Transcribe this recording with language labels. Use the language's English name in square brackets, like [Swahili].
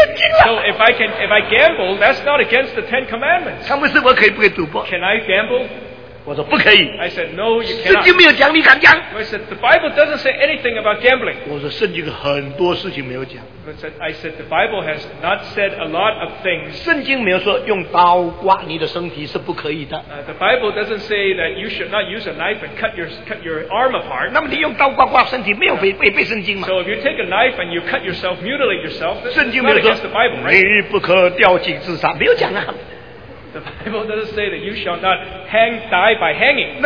[English] if I gamble, that's not against the Ten Commandments. Can I gamble? [Chinese] 我说不可以, [English] I said, no, you cannot. [Chinese] 圣经没有讲, [English] I said, the Bible doesn't say anything about gambling. [Chinese] 我说圣经很多事情没有讲, [English] I said, the Bible has not said a lot of things. [Chinese] 圣经没有说用刀刮你的身体是不可以的, [English] the Bible doesn't say that you should not use a knife and cut your arm apart. [Chinese] 那么你用刀刮刮身体没有违背圣经吗? [English] So if you take a knife and you cut yourself, mutilate yourself, this [Chinese] 圣经没有说, [English] is not against the Bible, right? [Chinese] 你不可吊颈自杀, 没有讲啊。 [English] The Bible doesn't say that you shall not hang, die by hanging.